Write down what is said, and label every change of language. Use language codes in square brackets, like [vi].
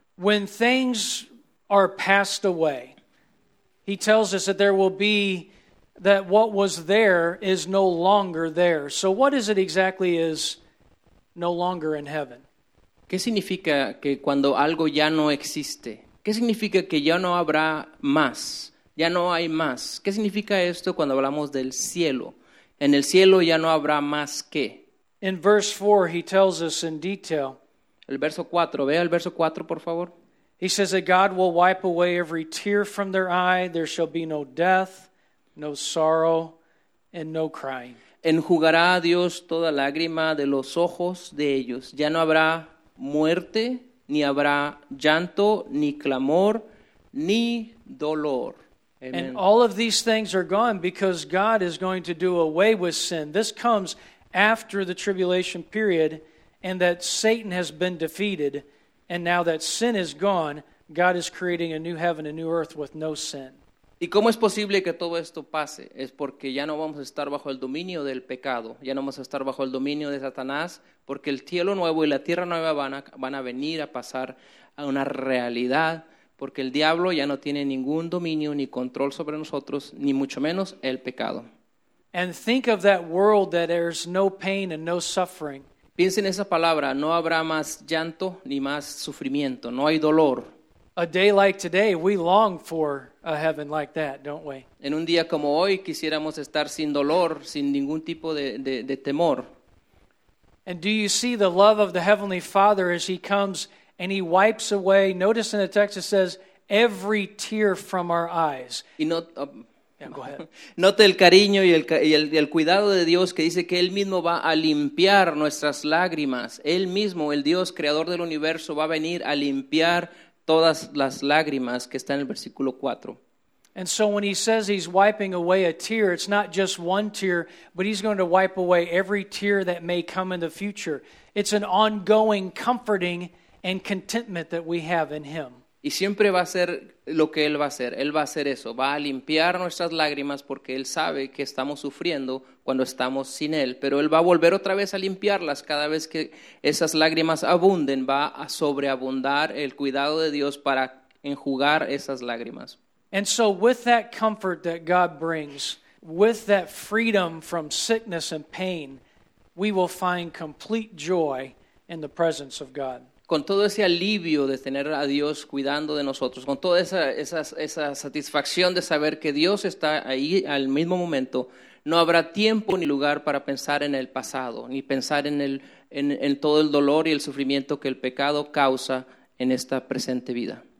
[en] When things are passed away, he tells us that there will be, that what was there is no longer there. So what is it exactly is no longer in heaven? [es] ¿Qué significa que cuando algo ya no existe? ¿Qué significa que ya no habrá más? Ya no hay más. ¿Qué significa esto cuando hablamos del cielo? En el cielo ya no habrá más que. [en] In verse 4, he tells us in detail. [es] El verso 4, vea el verso 4, por favor. [en] He says that God will wipe away every tear from their eye. There shall be no death, no sorrow, and no crying. [es] Enjugará a Dios toda lágrima de los ojos de ellos. Ya no habrá muerte, ni habrá llanto, ni clamor, ni dolor. [en] Amen. And all of these things are gone because God is going to do away with sin. This comes after the tribulation period and that Satan has been defeated. And now that sin is gone, God is creating a new heaven, a new earth with no sin. [es] ¿Y cómo es posible que todo esto pase? Es porque ya no vamos a estar bajo el dominio del pecado. Ya no vamos a estar bajo el dominio de Satanás porque el cielo nuevo y la tierra nueva van a venir a pasar a una realidad. Porque el diablo ya no tiene ningún dominio ni control sobre nosotros, ni mucho menos el pecado. [en] And think of that world that there's no pain and no suffering. [es] Piensa en esa palabra, no habrá más llanto ni más sufrimiento, no hay dolor. [en] A day like today, we long for a heaven like that, don't we? [es] En un día como hoy, quisiéramos estar sin dolor, sin ningún tipo de temor. [en] And do you see the love of the Heavenly Father as He comes? And He wipes away, notice in the text it says, every tear from our eyes. [es] Note el cariño y el cuidado de Dios que dice que Él mismo va a limpiar nuestras lágrimas. Él mismo, el Dios, creador del universo, va a venir a limpiar todas las lágrimas que está en el versículo 4. [en] And so when He says He's wiping away a tear, it's not just one tear, but He's going to wipe away every tear that may come in the future. It's an ongoing comforting and contentment that we have in Him. [es] Y siempre va a ser lo que Él va a hacer. Él va a hacer eso. Va a limpiar nuestras lágrimas porque Él sabe que estamos sufriendo cuando estamos sin Él. Pero Él va a volver otra vez a limpiarlas cada vez que esas lágrimas abunden. Va a sobreabundar el cuidado de Dios para enjugar esas lágrimas. [en] And so with that comfort that God brings, with that freedom from sickness and pain, we will find complete joy in the presence of God. [es] Con todo ese alivio de tener a Dios cuidando de nosotros, con toda esa satisfacción de saber que Dios está ahí al mismo momento, no habrá tiempo ni lugar para pensar en el pasado, ni pensar en todo el dolor y el sufrimiento que el pecado causa en esta presente vida.